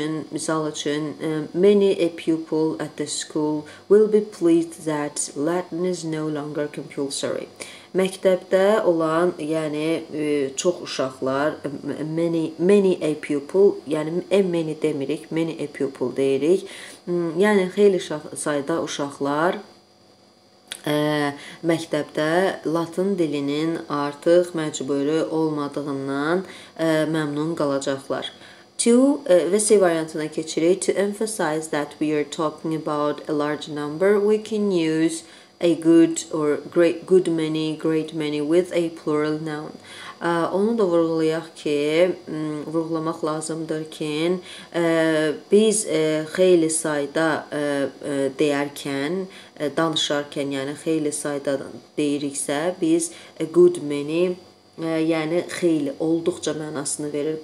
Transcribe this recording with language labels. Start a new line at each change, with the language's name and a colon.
Azerbaijani: Misal üçün,
English: many a pupil at the school will be pleased that Latin is no longer compulsory.
Azerbaijani: Məktəbdə olan, yəni çox uşaqlar, many a pupil, yəni many demirik, many a pupil deyirik. Yəni xeyli sayda uşaqlar məktəbdə Latın dilinin artıq məcburi olmadığından məmnun qalacaqlar. Və C variantına keçirik.
English: To emphasize that we are talking about a large number, we can use a good or great, good many, great many with a plural noun.
Azerbaijani: Onu da vurgulayaq ki, vurgulamaq lazımdır ki, biz xeyli sayda deyərkən, danışarkən, yəni xeyli sayda deyiriksə, biz a good many, yəni xeyli, olduqca mənasını verir.